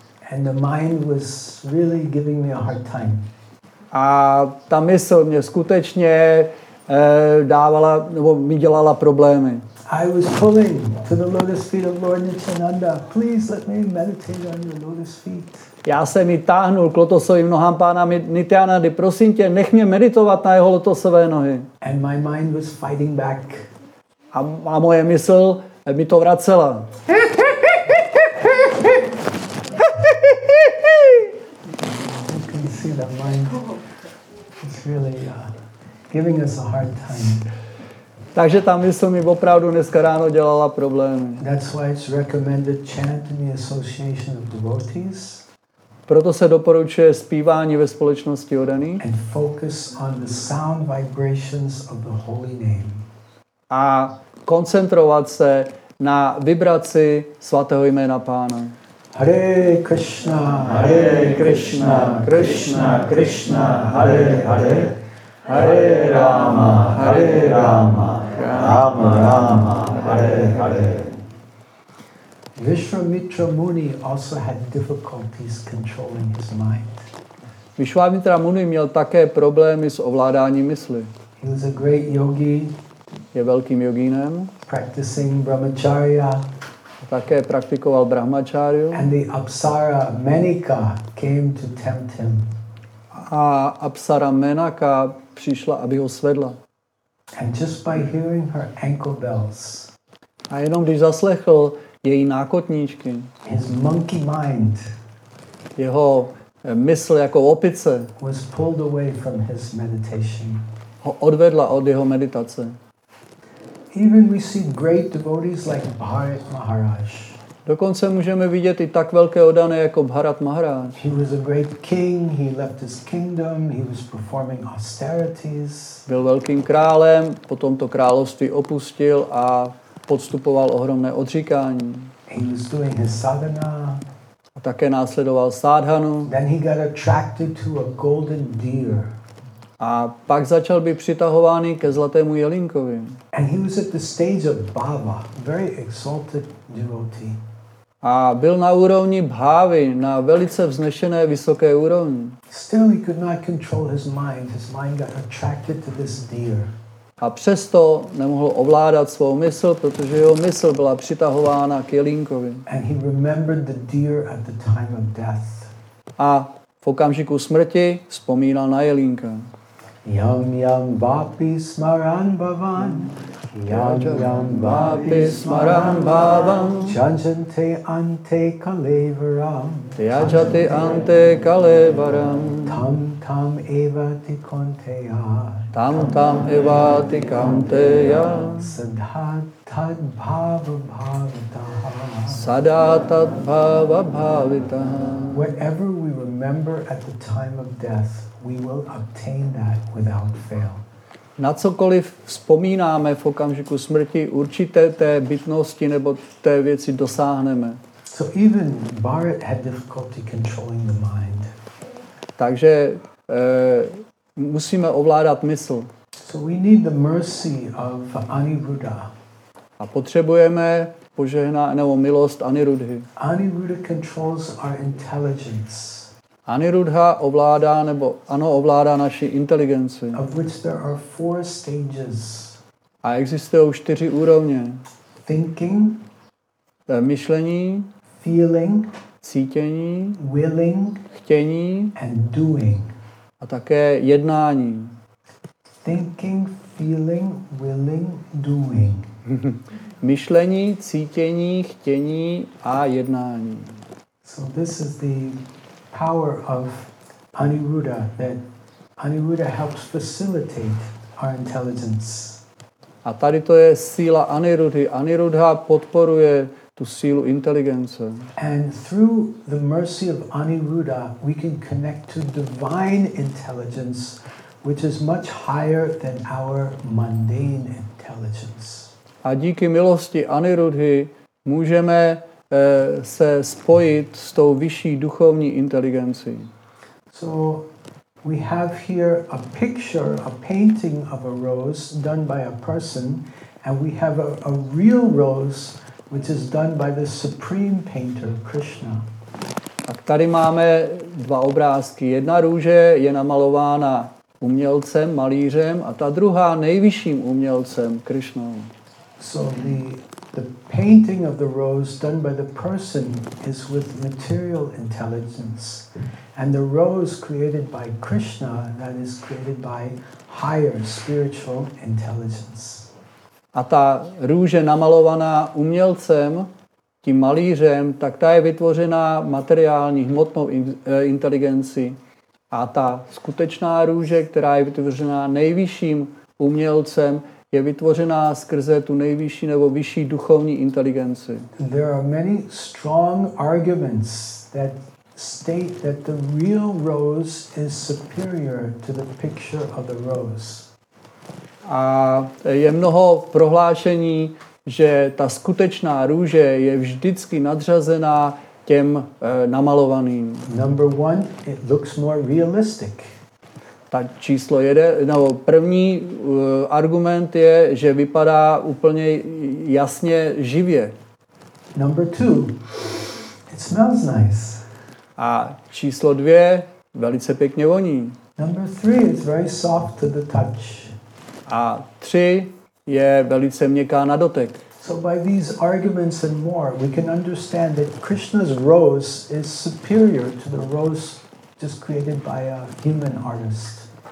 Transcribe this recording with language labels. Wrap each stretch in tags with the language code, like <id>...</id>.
<en>And the mind was really giving me a hard time.</en> <cs>A ta mysl mě skutečně dávala nebo mi dělala problémy.</cs> <en>I was pulling to the lotus feet of Lord Nityananda. Please let me meditate on your lotus feet.</en> <cs>Já jsem ji táhnul k lotosovým nohám pána Nityanandy. Prosím tě, nech mě meditovat na jeho lotosové nohy.</cs> <en>And my mind was fighting back.</en> <cs>A moje mysl mi to vracela.</cs> <en>You can see that mind is really giving us a hard time.</en> <cs>Takže ta mysl mi opravdu dneska ráno dělala problémy.</cs> <en>That's why it's recommended chant in the association of devotees.</en> <cs>Proto se doporučuje zpívání ve společnosti oddaných.</cs> <en>And focus on the sound vibrations of the holy name.</en> <cs>A koncentrovat se na vibraci svatého jména pána.</cs> <sa>Hare Krishna, Hare Krishna, Krishna Krishna, Hare Hare. Hare Rama, Hare Rama, Rama Rama, Hare Hare.</sa> <en>Vishwamitra Muni also had difficulties controlling his mind.</en> <cs>Vishwamitra Muni měl také problémy s ovládáním mysli.</cs> <en>He was a great yogi.</en> <cs>Je velkým jogínem.</cs> <en>Practicing brahmacharya.</en> <cs>Také praktikoval brahmacharyu.</cs> <en>And the apsara Menaka came to tempt him.</en> <cs>A apsara Menaka přišla, aby ho svedla.</cs> <en>And just by hearing her ankle bells.</en> <cs>A jenom když zaslechl její nákotníčky.</cs> <en>His monkey mind.</en> <cs>Jeho mysl jako opice.</cs> <en>Was pulled away from his meditation.</en> <cs>Ho odvedla od jeho meditace.</cs> <en>Even we see great devotees like Bharat Maharaj.</en> <cs>Dokonce můžeme vidět i tak velké oddané jako Bharat Maharaj.</cs> <en>He was a great king. He left his kingdom. He was performing austerities.</en> <cs>Byl velkým králem, potom to království opustil a podstupoval ohromné odříkání.</cs> <en>He was doing his sadhana.</en> <cs>A také následoval sádhanu.</cs> <en>Then he got attracted to a golden deer.</en> <cs>A pak začal být přitahovaný ke zlatému jelínkovi.</cs> <en>And he was at the stage of bhava, very exalted devotee.</en> <cs>A byl na úrovni bhávy, na velice vznešené vysoké úrovni.</cs> <en>Still he could not control his mind. His mind got attracted to this deer.</en> <cs>A přesto nemohl ovládat svou mysl, protože jeho mysl byla přitahována k jelínkovi.</cs> <en>And he remembered the deer at the time of death.</en> <cs>A v okamžiku smrti vzpomínal na jelínka.</cs> <sa>Yam yam vapi smaran bhavan. Yam yam vapi smaran bhavan. Chanchante ante kalevaram. Tyajate ante kalevaram. Tam tam eva tikanteya. Tam tam eva tikanteya. Sadhatad bhava bhavitah. Sadhatad bhava bhavitah.</sa> <en>Whatever we remember at the time of death, we will obtain that without fail.</en> <cs>Na cokoliv vzpomínáme v okamžiku smrti, určité té bytnosti nebo té věci dosáhneme.</cs> <en>So even Bharat had difficulty controlling the mind.</en> <cs>Takže musíme ovládat mysl.</cs> <en>So we need the mercy of Aniruddha.</en> <cs>A potřebujeme požehnanou milost Aniruddhy.</cs> <en>Aniruddha controls our intelligence.</en> <cs>Aniruddha ovládá nebo ano ovládá naši inteligenci.</cs> <en>Of which there are four stages.</en> <cs>A existují čtyři úrovně.</cs> <en>Thinking,</en> <cs>myšlení,</cs> <en>feeling,</en> <cs>cítění,</cs> <en>willing,</en> <cs>chtění</cs> <en>and doing.</en> <cs>A také jednání.</cs> <en>Thinking, feeling, willing, doing.</en> <cs>Myšlení, cítění, chtění a jednání.</cs> <en>So this is the power of Aniruddha, that Aniruddha helps facilitate our intelligence.</en> <cs>A tady to je síla Aniruddhy. Aniruddha podporuje tu sílu inteligence.</cs> <en>And through the mercy of Aniruddha, we can connect to divine intelligence, which is much higher than our mundane intelligence.</en> <cs>A díky milosti Aniruddhy můžeme se spojit s tou vyšší duchovní inteligencí.</cs> <en>So we have here a picture, a painting of a rose done by a person, and we have a real rose which is done by the supreme painter Krishna.</en> <cs>A tady máme dva obrázky. Jedna růže je namalována umělcem, malířem, a ta druhá nejvyšším umělcem Krishnou.</cs> <en>So the painting of the rose done by the person is with material intelligence, and the rose created by Krishna, that is created by higher spiritual intelligence.</en> <cs>A ta růže namalovaná umělcem, tím malířem, tak ta je vytvořena materiální hmotnou inteligenci, a ta skutečná růže, která je vytvořena nejvyšším umělcem, je vytvořená skrze tu nejvyšší nebo vyšší duchovní inteligenci.</cs> <en>There are many strong arguments that state that the real rose is superior to the picture of the rose.</en> <cs>A je mnoho prohlášení, že ta skutečná růže je vždycky nadřazená těm namalovaným.</cs> <en>Number one, it looks more realistic.</en> <cs>A číslo jeden, nebo první argument je, že vypadá úplně jasně živě.</cs> <en>Number two, it smells nice.</en> <cs>A číslo dvě, velice pěkně voní.</cs> <en>Number three, it's very soft to the touch.</en> <cs>A tři, je velice měkká na dotek.</cs> <en>So by these arguments and more, we can understand that Krishna's rose is superior to the rose just created by a human artist.</en>